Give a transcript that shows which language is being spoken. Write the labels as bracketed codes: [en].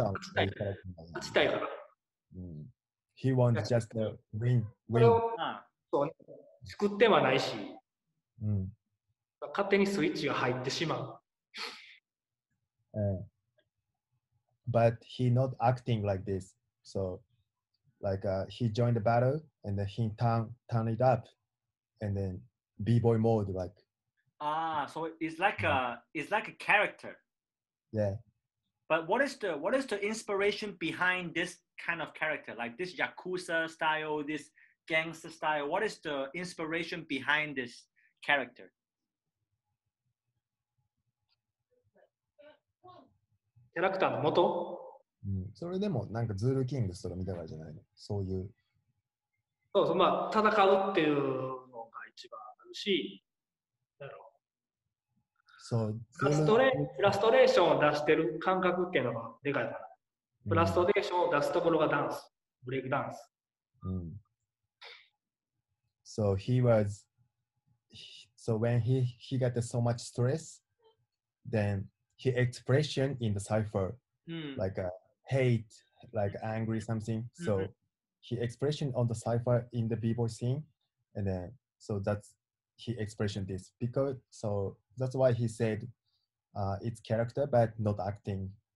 [ja] は勝ちたいから、 [en] He wants just to win. [ja] これをそう作ってはないし、勝手にスイッチが入ってしまう。 [en] But he not acting like this. So, like he joined the battle and then he turn it up and then b-boy mode like. So it's like a character. Yeah. But what is the inspiration behind this kind of character, like this Yakuza style, this gangster style? What is the inspiration behind this character? [ja] キャラクターの元？それでもなんかズールキングストロみたいなじゃないの？そういう。そうそう、まあ戦うっていうのが一番あるし、だろう。 [en] So, [ja] frustration を出してる感覚っていうのがでかいかな。フラストレーションを出すところがダンス、ブレイクダンス。 [en] So he was, so when he got so much stress, then he expression in the cipher, like a hate, like angry something. So he expression on the cipher in the b-boy scene, and then so that's he expression this because so that's why he said, it's character but not acting.